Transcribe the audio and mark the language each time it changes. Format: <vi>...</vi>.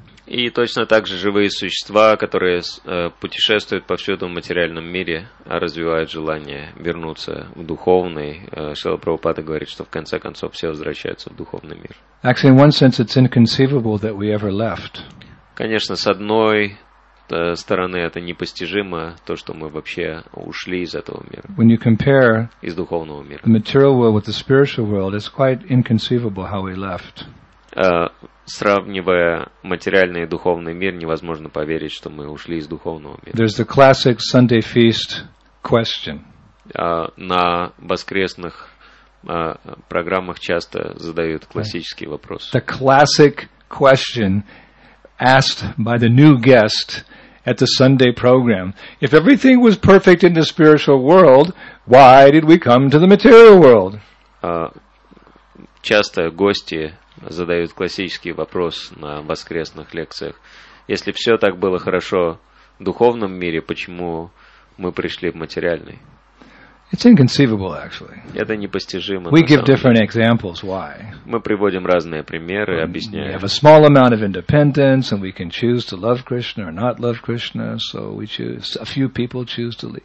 <ru>И точно так же живые существа, которые путешествуют повсюду в материальном мире, развивают желание вернуться в духовный. Шрила Прабхупада говорит, что в конце концов все возвращаются в духовный мир.</ru> <en>Actually, in one sense, it's inconceivable that we ever left.</en> <ru>Конечно, с одной стороны, это непостижимо, то, что мы вообще ушли из этого мира.</ru> <en>When you compare</en> <ru>из духовного мира.</ru> <en>The material world with the spiritual world, it's quite inconceivable how we left.</en> <ru>Сравнивая материальный и духовный мир, невозможно поверить, что мы ушли из духовного мира.</ru> <en>There's the classic Sunday feast question.</en> <ru>На воскресных программах часто задают классический</ru> <en>right.</en> <ru>вопрос.</ru> <en>The classic question asked by the new guest at the Sunday program. If everything was perfect in the spiritual world, why did we come to the material world?</en> <ru>Часто гости задают классический вопрос на воскресных лекциях. Если все так было хорошо в духовном мире, почему мы пришли в материальный?</ru> <en>It's inconceivable, actually.</en> <ru>Это непостижимо.</ru> <en>We give different examples why.</en> <ru>Мы приводим разные примеры, объясняем.</ru> <en>We have a small amount of independence, and we can choose to love Krishna or not love Krishna, so we choose, a few people choose to leave.</en>